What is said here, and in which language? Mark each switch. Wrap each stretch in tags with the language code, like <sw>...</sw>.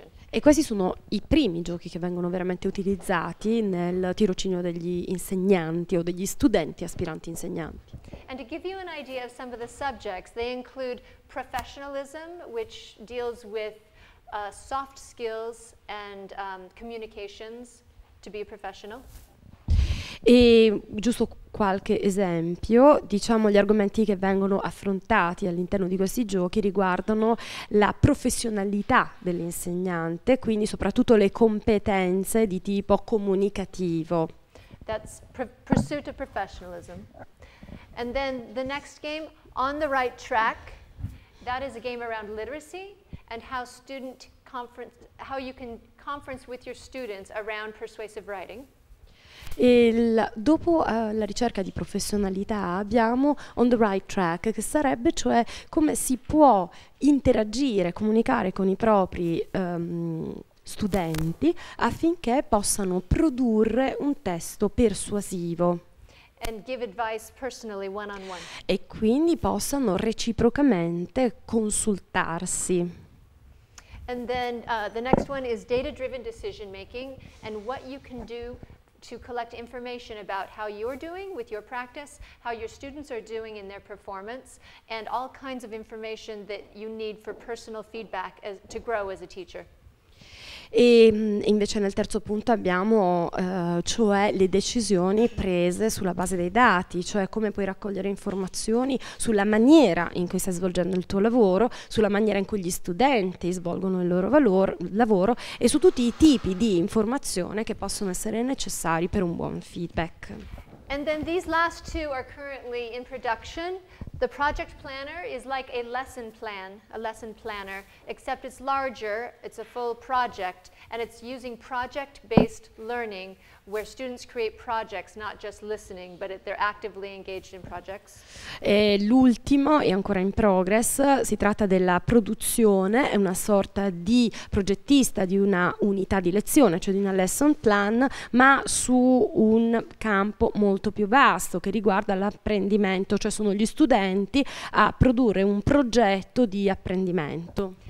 <it>E questi sono i primi giochi che vengono veramente utilizzati nel tirocinio degli insegnanti o degli studenti aspiranti insegnanti.</it> <en>And to give you an idea of some of the subjects, they include professionalism, which deals with soft skills and communications to be a professional.</en> <it>E giusto qualche esempio, diciamo gli argomenti che vengono affrontati all'interno di questi giochi riguardano la professionalità dell'insegnante, quindi soprattutto le competenze di tipo comunicativo.</it> <en>That's pursuit of professionalism. And then the next game, On the Right Track, that is a game around literacy and how student conference, how you can conference with your students around persuasive writing.</en> <it>Dopo la ricerca di professionalità abbiamo On the Right Track, che sarebbe cioè come si può interagire, comunicare con i propri studenti affinché possano produrre un testo persuasivo.</it> <en>And give advice personally, one-on-one.</en> <it>E quindi possano reciprocamente consultarsi.</it> <en>And then the next one is data-driven decision making and what you can do to collect information about how you're doing with your practice, how your students are doing in their performance, and all kinds of information that you need for personal feedback as, to grow as a teacher.</en> <it>E invece nel terzo punto abbiamo cioè le decisioni prese sulla base dei dati, cioè come puoi raccogliere informazioni sulla maniera in cui stai svolgendo il tuo lavoro, sulla maniera in cui gli studenti svolgono il loro lavoro e su tutti i tipi di informazione che possono essere necessari per un buon feedback.</it> <en>And then these last two are currently in production. The project planner is like a lesson plan, a lesson planner, except it's larger, it's a full project, and it's using project-based learning where students create projects, not just listening, but they're actively engaged in projects.</en> <it>E l'ultimo è ancora in progress, si tratta della produzione, è una sorta di progettista di una unità di lezione, cioè di una lesson plan, ma su un campo molto più vasto che riguarda l'apprendimento, cioè sono gli studenti a produrre un progetto di apprendimento.</it>